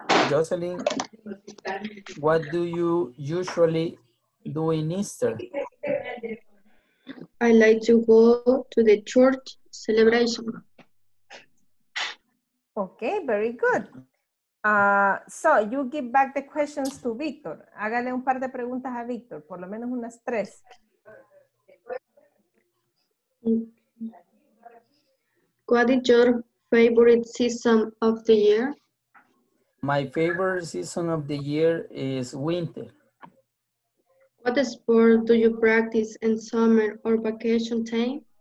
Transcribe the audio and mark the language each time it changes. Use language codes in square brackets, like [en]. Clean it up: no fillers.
[en] Jocelyn, what do you usually do in Easter? I like to go to the church celebration. Okay, very good. So you give back the questions to Victor. [es] Hágale un par de preguntas a Victor, por lo menos unas tres. [en] What is your favorite season of the year? My favorite season of the year is winter. What sport do you practice in summer or vacation time?